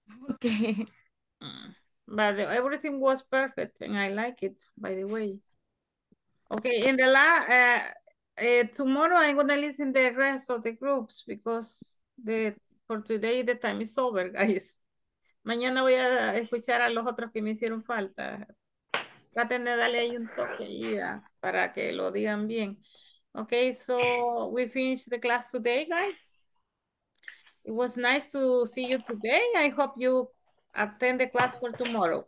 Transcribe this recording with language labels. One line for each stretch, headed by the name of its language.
English: Okay. But everything was perfect and I like it, by the way. Okay, in the tomorrow I'm gonna listen to the rest of the groups because for today the time is over, guys.
Spanish: Mañana voy a escuchar a los otros que me hicieron falta. Traten de darle ahí un toque ya, para que lo digan bien.
English: Okay, so we finished the class today, guys. It was nice to see you today. I hope you attend the class for tomorrow.